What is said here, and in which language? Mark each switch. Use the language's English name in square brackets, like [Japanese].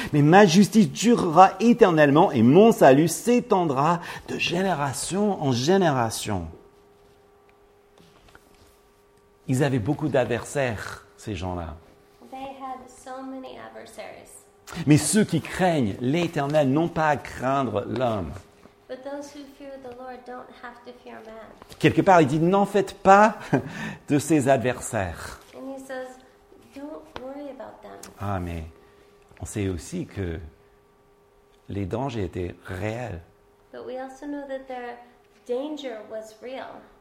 [French] Mais ma justice durera éternellement et mon salut s'étendra de génération en génération. Ils avaient beaucoup d'adversaires, ces gens-là. [English] They had so many adversaries. [French] Mais ceux qui craignent l'Éternel n'ont pas à craindre l'homme. [English] But those who fear the Lord don't have to fear man. [French] Quelque part, il dit, n'en faites pas de ses adversaires. [English] And he says, don't worry about them. [French] Ah, mais on sait aussi que les dangers étaient réels. [English] But we also know that their danger was real.